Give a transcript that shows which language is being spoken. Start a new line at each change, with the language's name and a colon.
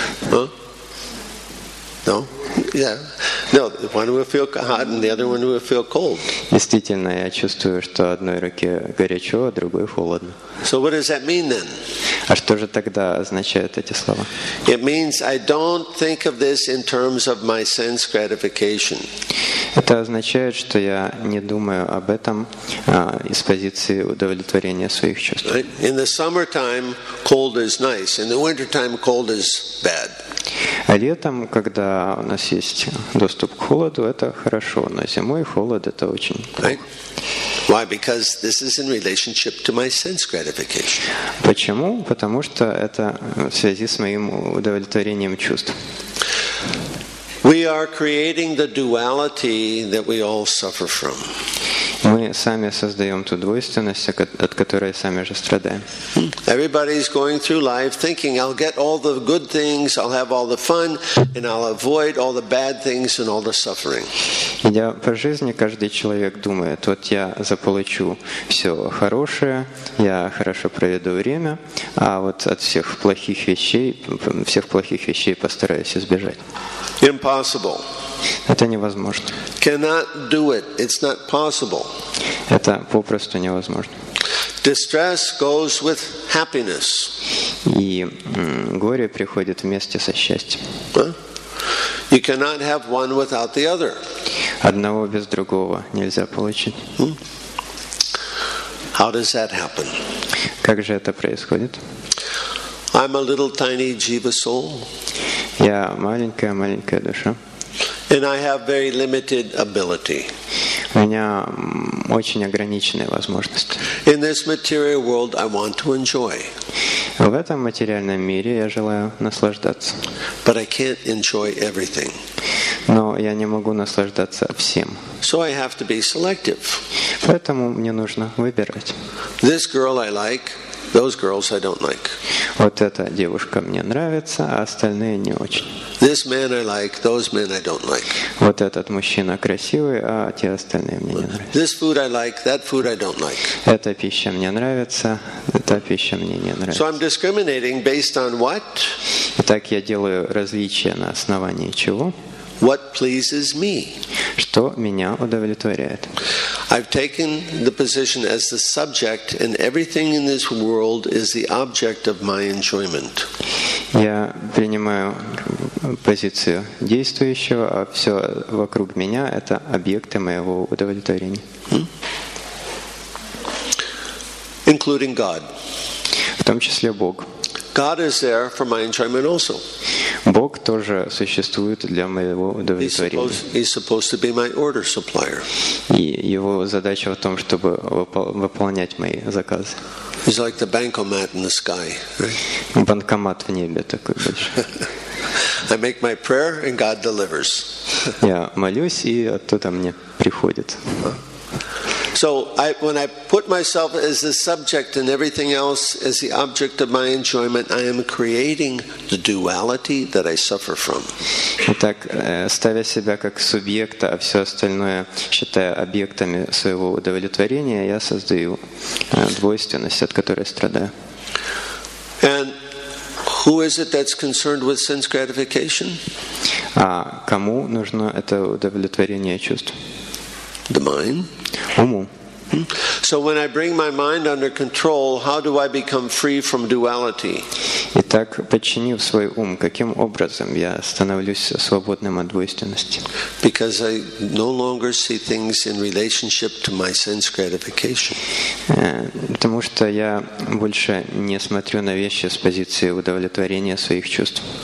English: No? Yeah. No, one will feel hot and the other one will feel cold.
Russian: Действительно, я чувствую, что одной руке горячо, а другой холодно.
English: So what does that mean then?
Russian: А что же тогда означают эти слова?
English: It means I don't think of this in terms of my sense gratification.
Russian: Это означает, что я не думаю об этом из позиции удовлетворения своих чувств.
English: Right? In the summertime, cold is nice. In the wintertime, cold is bad.
Russian: А летом, когда у нас есть доступ к холоду, это хорошо, но зимой холод – это очень плохо.
English: Why? Because this is in relationship to my sense gratification.
Russian: Почему? Потому что это в связи с моим удовлетворением чувств.
English: We are creating the duality that we all suffer from.
Russian: Мы сами создаем ту двойственность, от которой сами же страдаем.
English: Everybody's going through life thinking, I'll get all the good things, I'll have all the fun, and I'll avoid all the bad things and all the suffering.
Russian: Идя по жизни, каждый человек думает, вот я заполучу все хорошее, я хорошо проведу время, а вот от всех плохих вещей постараюсь избежать.
English: Impossible.
Russian: Это невозможно.
English: Cannot do it. It's not possible.
Russian: Это попросту невозможно.
English: Distress goes with happiness.
Russian: И горе приходит вместе со счастьем.
English: You cannot have one without the other.
Russian: Одного без другого нельзя получить.
English: How does that happen?
Russian: Как же это происходит?
English: I'm a little tiny jiva soul.
Russian: Я маленькая душа.
English: And I have very limited ability.
Russian: У меня очень ограниченные возможности.
English: In this material world, I want to enjoy.
Russian: В этом материальном мире я желаю наслаждаться.
English: But I can't enjoy everything.
Russian: Но я не могу наслаждаться всем.
English: So I have to be selective.
Russian: Поэтому мне нужно выбирать.
English: This girl I like, those girls I don't like.
Russian: Вот эта девушка мне нравится, а остальные не очень.
English: This man I like, those men I don't like.
Russian: Вот этот мужчина красивый, а те остальные мне не нравятся.
English: This food I like, that food I don't like.
Russian: Эта пища мне нравится, эта пища мне не нравится.
English: So I'm discriminating based on what?
Russian: Итак, я делаю различия на основании чего?
English: What pleases me?
Russian: Что меня удовлетворяет?
English: I've taken the position as the subject, and everything in this world is the object of my enjoyment.
Russian: Я принимаю позицию действующего, а все вокруг меня – это объекты моего удовлетворения.
English: Including God.
Russian: В том числе Бог.
English: God is there for my enjoyment also.
Russian: Бог тоже существует для моего удовлетворения.
English: He's supposed to be my order supplier.
Russian: И его задача в том, чтобы выполнять мои заказы.
English: He's like the bankomat in the sky, right?
Russian: Банкомат в небе такой большой.
English: I make my prayer and God delivers.
Russian: Я молюсь, и оттуда мне приходит.
English: So I, when I put myself as the subject and everything else as the object of my enjoyment, I am creating the duality that I suffer from.
Russian: Итак, ставя себя как субъекта, а все остальное считая объектами своего удовлетворения, я создаю двойственность, от которой страдаю.
English: And who is it that's concerned with sense gratification?
Russian: А кому нужно это удовлетворение чувств?
English: The mind.
Russian: Уму.
English: So when I bring my mind under control, how do I become free from duality?
Russian: Итак, подчинив свой ум, каким образом я становлюсь свободным от двойственности?
English: Because I no longer see things in relationship to my sense gratification.
Russian: Потому что я больше не смотрю на вещи с позиции удовлетворения своих чувств.